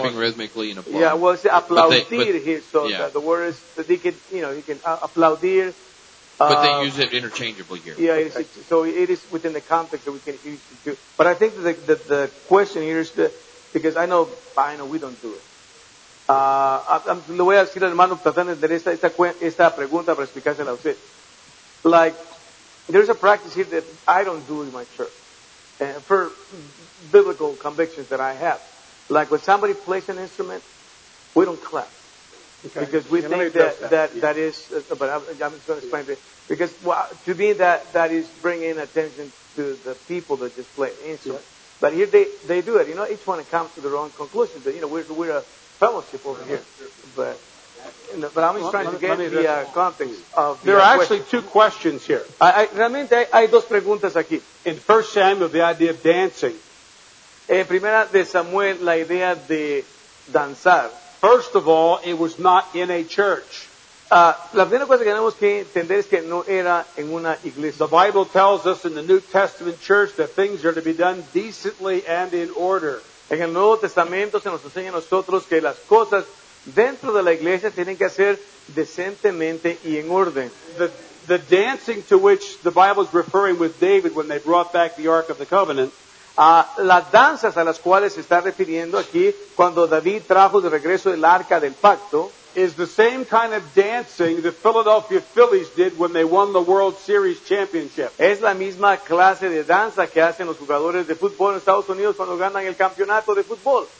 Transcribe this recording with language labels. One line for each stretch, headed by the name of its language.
English: Clapping rhythmically and applauding. Yeah, well, it's applaudir here, so yeah. The word is, that they can, you know, you can applaudir. But they use it interchangeably here. Yeah, okay. So it is within the context that we can use it too. But I think the question here is, because I know we don't do it.
Spanish: Le voy a decir al hermano tratando de entender esta pregunta para explicársela a usted.
English: Like, there's a practice here that I don't do in my church. For biblical convictions that I have, like when somebody plays an instrument, we don't clap because we think that is. But I'm just going to explain it because to me that is bringing attention to the people that just play instrument. Yeah. But here they do it. You know, each one comes to their own conclusion. That, you know, we're a fellowship over here. But I'm just trying to get the context of the There are actually two questions here.
Spanish: Realmente hay dos preguntas aquí.
English: In First Samuel, the idea of dancing.
Spanish: En primera de Samuel, la idea de danzar.
English: First of all, it was not in a church.
Spanish: La primera cosa que tenemos que entender es que no era en una iglesia.
English: The Bible tells us in the New Testament church that things are to be done decently and in order.
Spanish: En el Nuevo Testamento se nos enseña a nosotros que las cosas dentro de la iglesia tienen que hacer decentemente y en orden.
English: The dancing to which the Bible is referring with David when they brought back the Ark of the Covenant.
Spanish: Las danzas a las cuales se está refiriendo aquí cuando David trajo de regreso el arca del pacto
English: is the same kind of dancing the Philadelphia Phillies did when they won the World Series championship.
Spanish: Es la misma clase de danza que hacen los jugadores de fútbol en Estados Unidos cuando ganan el campeonato de fútbol.